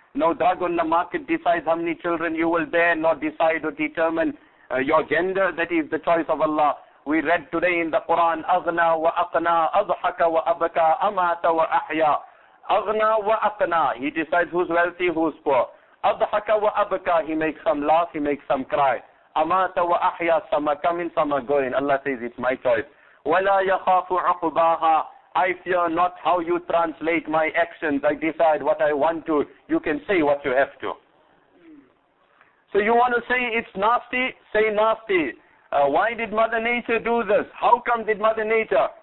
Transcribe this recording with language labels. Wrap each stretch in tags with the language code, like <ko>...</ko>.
<en>No drug on the market decides how many children you will bear, nor decide or determine your gender. That is the choice of Allah. We read today in the Quran,</en> <ar>أَغْنَى وَأَقْنَى أَضْحَكَ وَأَبْكَى أَمَاتَ وَأَحْيَى. أَغْنَى وَأَقْنَى.</ar> <en>He decides who's wealthy, who's poor.</en> <ar>أَضْحَكَ وَأَبْكَى.</ar> <en>He makes some laugh, he makes some cry.</en> <ar>أمات وأحيا سمك من سمك going.</ar> <en>Allah says it's my choice.</en> <ar>ولا يخاف عقباها.</ar> <en>I fear not how you translate my actions. I decide what I want to. You can say what you have to. So you want to say it's nasty? Say nasty. Why did Mother Nature do this? How come did Mother Nature?</en>